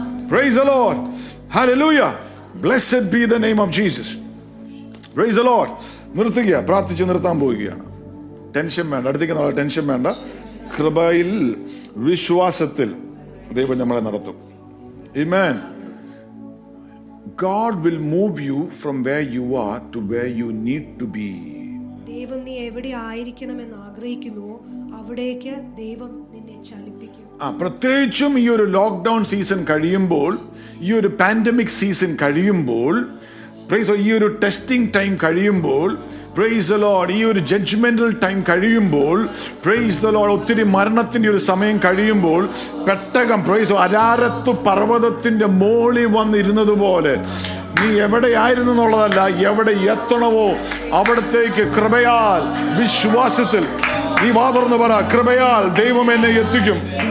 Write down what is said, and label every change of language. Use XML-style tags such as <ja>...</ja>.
<en>Praise the lord, hallelujah. Blessed be the name of Jesus. Praise the Lord.</en> <ml>നിർത്തുകയാ, പ്രാർത്ഥിച്ച് നിർത്താൻ പോവുകയാണ്. Tension വേണ്ട, അടുത്തേക്ക് നമ്മളെ ടെൻഷൻ വേണ്ട. കൃപയിൽ വിശ്വാസത്തിൽ ദൈവം നമ്മളെ നടത്തും.</ml> <en>Amen. God will move you from where you are to where you need to be.</en> <ml>ദൈവം നീ എവിടെ ആയിരിക്കണം എന്ന് ആഗ്രഹിക്കുന്നുവോ അവിടേക്ക് ദൈവം നിന്നെ ചലിപ്പിക്കും. പ്രത്യേകിച്ചും ഈ ഒരു ലോക്ക്ഡൌൺ സീസൺ കഴിയുമ്പോൾ, ഈ ഒരു പാൻഡമിക് സീസൺ കഴിയുമ്പോൾ, പ്രൈസ് ഈ ഒരു ടെസ്റ്റിംഗ് ടൈം കഴിയുമ്പോൾ, പ്രൈസ് ദി ലോർഡ്, ഈ ഒരു ജഡ്ജ്മെന്റൽ ടൈം കഴിയുമ്പോൾ, പ്രൈസ് ദി ലോർഡ്, ഒത്തിരി മരണത്തിന്റെ ഒരു സമയം കഴിയുമ്പോൾ, പെട്ടകം പ്രൈസ് അരാരത്തു പർവ്വതത്തിന്റെ മോളി വന്നിരുന്നത് പോലെ, നീ എവിടെയായിരുന്നു എന്നുള്ളതല്ല, എവിടെ എത്തണമോ അവിടത്തേക്ക് കൃപയാൽ വിശ്വാസത്തിൽ നീ വാതുറന്ന് പറ, കൃപയാൽ ദൈവം എന്നെ എത്തിക്കും.</ml>